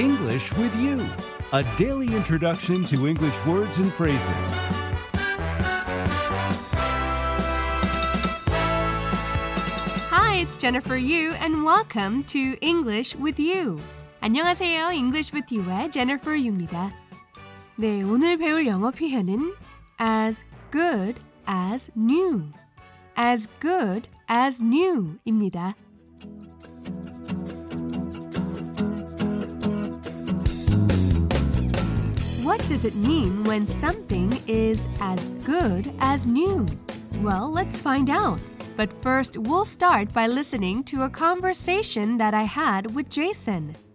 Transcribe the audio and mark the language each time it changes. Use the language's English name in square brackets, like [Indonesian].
[English] English with you, a daily introduction to English words and phrases. Hi, it's Jennifer Yu, and welcome to English with you. [Korean] 안녕하세요, English with you의 Jennifer Yu입니다. 네, 오늘 배울 영어 표현은 [English] as good as new. As good as new [Korean] 입니다. [English] What does it mean when something is as good as new? Well, let's find out. But first, we'll start by listening to a conversation that I had with Jason.